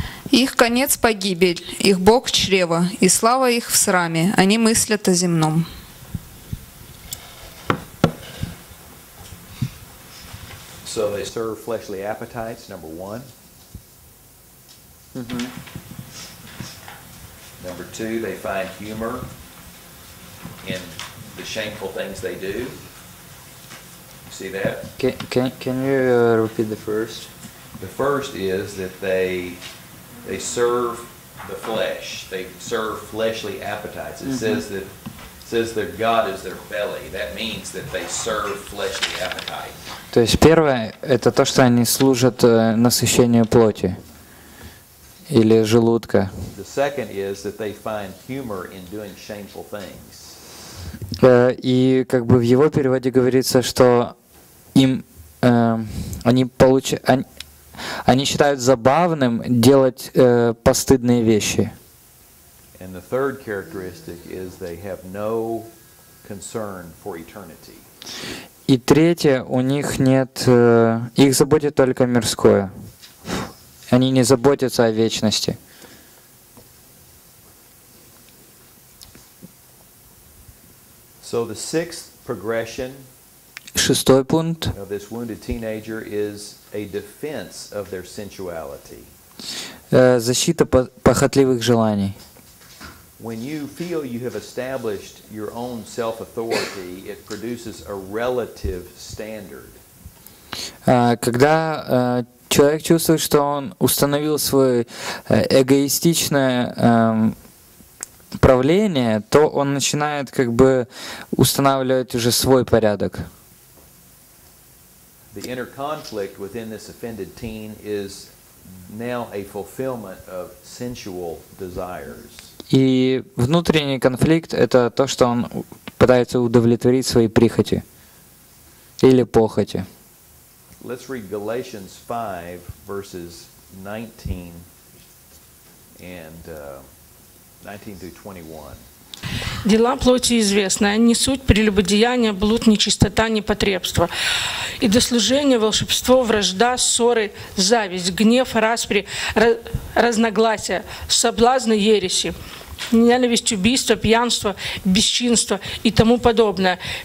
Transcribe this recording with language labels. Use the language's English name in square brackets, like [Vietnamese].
[Russian] Их конец — погибель, их Бог — чрево, и слава их в сраме, они мыслят о земном. [English] So they serve fleshly appetites, number one. Mm-hmm. Number two, they find humor in the shameful things they do. You see that? Can you repeat the first? The first is that they serve the flesh. They serve fleshly appetites. It says their God is their belly. That means that they serve fleshly appetites. [Russian] То есть первое — это то, что они служат насыщению плоти или желудка. [English] The second is that they find humor in doing shameful things. [Russian] И как бы в его переводе говорится, что им они считают забавным делать постыдные вещи. [English] And the third characteristic is they have no concern for eternity. [Russian] И третье, у них нет, их заботит только мирское. Они не заботятся о вечности. [English] So the sixth progression. [Russian] Шестой пункт. [English] Of this wounded teenager is a defense of their sensuality. [Russian] Защита похотливых желаний. [English] When you feel you have established your own self-authority, it produces a relative standard. [Russian] Когда человек чувствует, что он установил свое эгоистичное правление, то он начинает как бы устанавливать уже свой порядок. [English] The inner conflict within this offended teen is now a fulfillment of sensual desires. [Russian] И внутренний конфликт — это то, что он пытается удовлетворить свои прихоти или похоти. [English] Let's read Galatians 5, verses 19 through 21. [Russian] Дела плоти известны. Они суть, прелюбодеяние, блуд, нечистота, непотребство. Идослужение, волшебство, вражда, ссоры, зависть, гнев, распри, разногласия, соблазны, ереси, ненависть, убийство, пьянство, бесчинство и тому подобное.